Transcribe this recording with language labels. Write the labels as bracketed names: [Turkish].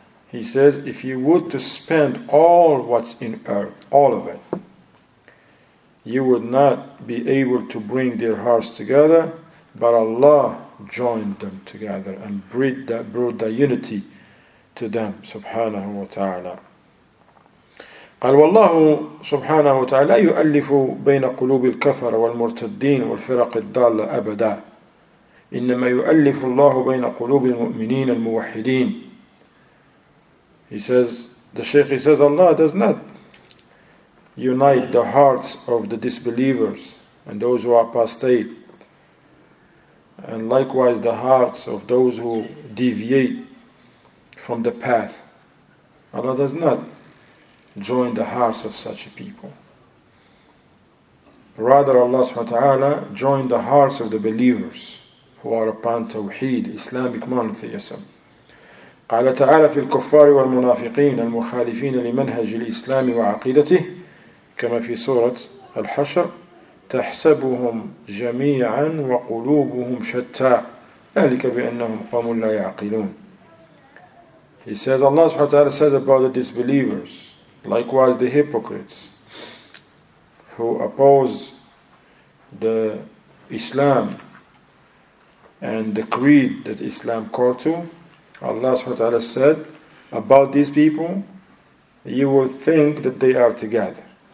[English] He says, if you would to spend all what's in earth, all of it, you would not be able to bring their hearts together, but Allah joined them together and brought the unity to them, subhanahu wa ta'ala. [Arabic] قال والله سبحانه وتعالى يؤلف بين قلوب الكفر والمرتدين والفرق الضالة أبدا إنما يؤلف الله بين قلوب المؤمنين الموحدين. [English] He says, the Shaykh, he says, Allah does not unite the hearts of the disbelievers and those who are apostate, and likewise the hearts of those who deviate from the path. Allah does not join the hearts of such people. Rather, Allah subhanahu wa ta'ala joined the hearts of the believers who are upon Tawheed, Islamic monotheism. [Arabic] قال تعالى في الكفار والمنافقين المخالفين لمنهج الإسلام وعقيدته كما في سورة الحشر تحسبهم جميعا وقلوبهم شتى ذلك بأنهم قوم لا يعقلون. [English] He says, Allah subhanahu wa ta'ala says about the disbelievers, likewise the hypocrites who oppose the Islam and the creed that Islam called to, Allah subhanahu wa ta'ala said about these people, you will think that they are together